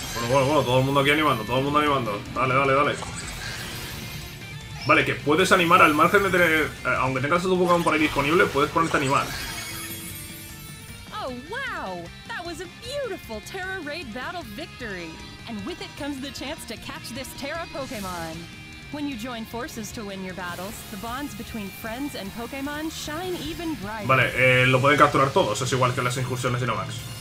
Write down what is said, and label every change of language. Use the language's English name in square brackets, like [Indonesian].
[Spanish] Bueno, todo el mundo aquí animando. Dale. Vale, que puedes animar al margen de tener... aunque tengas tu Pokémon por ahí disponible, puedes ponerte a animar. [English] Wow, that was a beautiful Terra Raid battle victory, and with it comes the chance to catch this Terra Pokémon. When you join forces to win your battles, the bonds between friends and Pokémon shine even brighter. [Spanish] Vale, lo pueden capturar todos, es igual que las incursiones y no más.